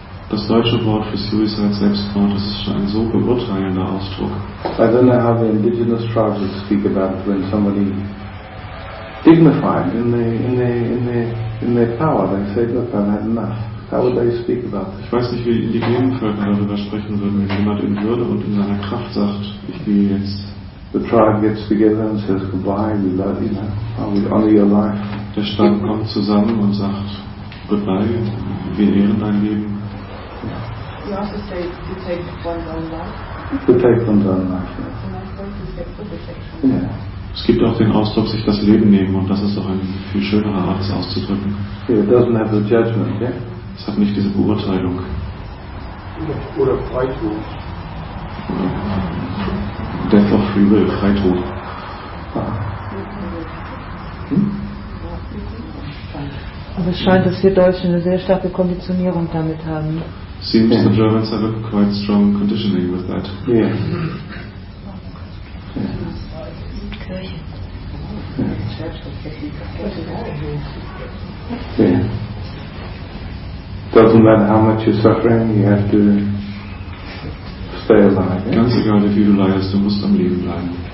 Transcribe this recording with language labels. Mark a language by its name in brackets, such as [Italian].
[German] Das deutsche Wort für Suicide, Selbstmord, das ist schon ein so beurteilender Ausdruck. [English] I don't know how the indigenous tribes speak about it when somebody dignified in their power, they say, look, I've had enough. How would they speak about this? [German] Ich weiß nicht, wie indigenen Völker darüber sprechen würden, wenn jemand in Würde und in seiner Kraft sagt, ich gehe jetzt. [English] The tribe gets together and says goodbye, we love you now, we honor your life. [German] Der Stamm kommt zusammen und sagt, goodbye, wir ehren dein Leben. [English] You also say to take one's own life. To take one's own life. Yeah. [German] Es gibt auch den Ausdruck, sich das Leben nehmen, und das ist auch eine viel schönere Art, es auszudrücken. [English] Yeah, it doesn't have the judgment, yeah? [German] Es hat nicht diese Beurteilung. Oder Freitod. [English] Death of free will, Freitod. [German] Aber es scheint, dass wir Deutschen eine sehr starke Konditionierung damit haben. [English] Seems yeah. The Germans have a quite strong conditioning with that. Yeah. Mm-hmm. Yeah. Okay. Yeah. Doesn't matter how much you're suffering, you have to stay alive. Yeah? [German] Ganz egal, wie viel du leidest, du musst am Leben bleiben.